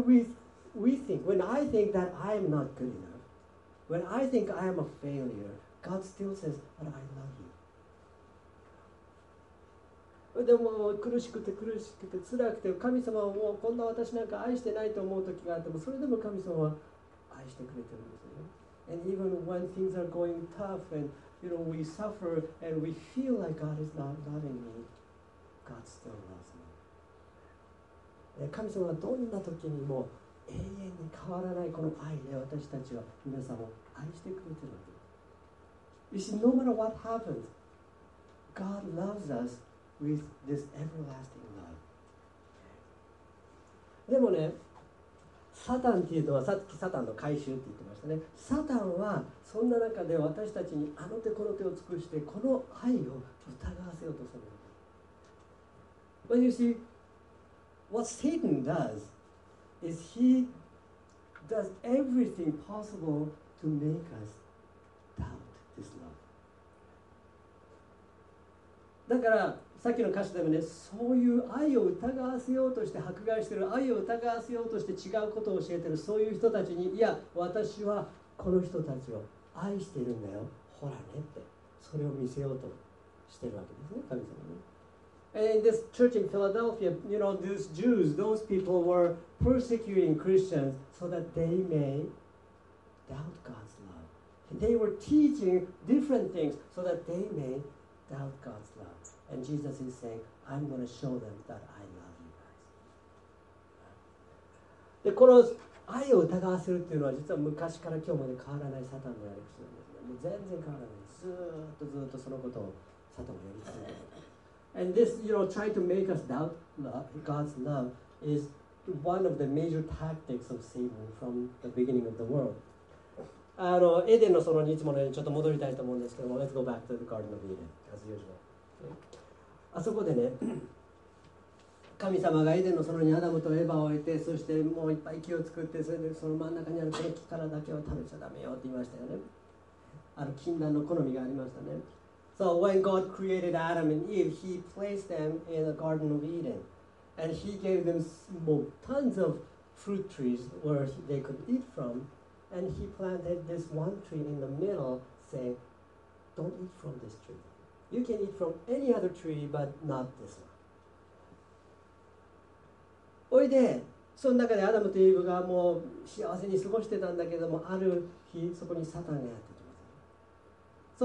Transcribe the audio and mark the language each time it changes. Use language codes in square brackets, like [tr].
[en] Even when when I think that I am not good enough, when I think I am a failure, God still says, but I love you. [ja] でも苦しくて苦しくて辛くて、神様はもうこんな私なんか愛してないと思う時があっても、それでも神様は愛してくれてるんですよね。 [en] And even when things are going tough and you know, we suffer and we feel like God is not loving me, God still loves me. [ja] 神様はどんな時にも永遠に変わらないこの愛で私たちは皆さんを愛してくれてるわけです。 [en] You see, no matter what happens, God loves us with this everlasting love. [ja] でもね、サタンっていうのはさっきサタンの回収って言ってましたね。サタンはそんな中で私たちにあの手この手を尽くしてこの愛を疑わせようとする。 [en] But you see, what Satan does? Is he does everything possible to make us doubt this love? [ja] だからさっきの歌詞でもね、そういう愛を疑わせようとして迫害してる、愛を疑わせようとして違うことを教えてる、そういう人たちに、いや私はこの人たちを愛してるんだよ、ほらねって、それを見せようとしてるわけですね、神様ね。 [en] And in this church in Philadelphia, you know, these Jews, those people were persecuting Christians so that they may doubt God's love. And they were teaching different things so that they may doubt God's love. And Jesus is saying, I'm going to show them that I love you guys. [ja] で、この愛を疑わせるっていうのは実は昔から今日まで変わらないサタンのやり口なんですね。もう全然変わらない。ずっとずっとそのことをサタンはやり続けている。 [en] And this, you know, trying to make us doubt God's love is one of the major tactics of Satan from the beginning of the world. [ja] あの、エデンの園にいつものようにちょっと戻りたいと思うんですけども、 [en] Let's go back to the Garden of Eden, as usual. [ja] あそこでね、神様がエデンの園にアダムとエヴァを置いて、そしてもういっぱい木を作って、それでその真ん中にあるこの木からだけを食べちゃダメよって言いましたよね。あの禁断の好みがありましたね。 [en] So when God created Adam and Eve, He placed them in the Garden of Eden, and He gave them tons of fruit trees where they could eat from, and He planted this one tree in the middle, saying, "Don't eat from this tree. You can eat from any other tree, but not this one." [ja] おいで、その中でアダムとイブがもう幸せに過ごしてたんだけども、ある日そこにサタンがやってきた。